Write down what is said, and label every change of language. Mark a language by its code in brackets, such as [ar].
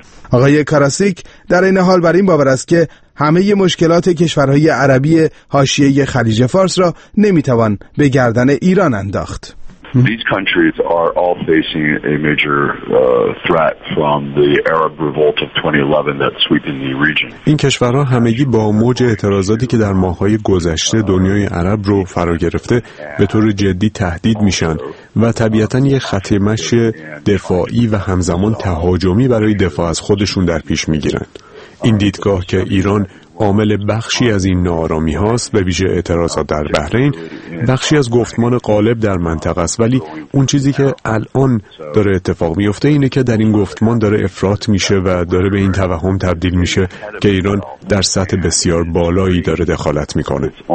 [fa] آقای کاراسیک در این حال بر این باور است که همه مشکلات کشورهای عربی حاشیه خلیج فارس را نمیتوان به گردن ایران انداخت. [en] These countries are all facing a major threat from the Arab revolt of 2011 that's sweeping the region. [fa] این کشورها همگی با موج اعتراضاتی که در ماه‌های گذشته دنیای عرب رو فرا گرفته به طور جدی تهدید میشن و طبیعتاً یک خطمش دفاعی و همزمان تهاجمی برای دفاع از خودشون در پیش میگیرن. این دیدگاه که ایران عامل بخشی از این نارامی هاست، به ویژه اعتراضات در بحرین، بخشی از گفتمان غالب در منطقه است، ولی اون چیزی که الان داره اتفاق میفته اینه که در این گفتمان داره افراط میشه و داره به این توهم تبدیل میشه که ایران در سطح بسیار بالایی داره دخالت میکنه.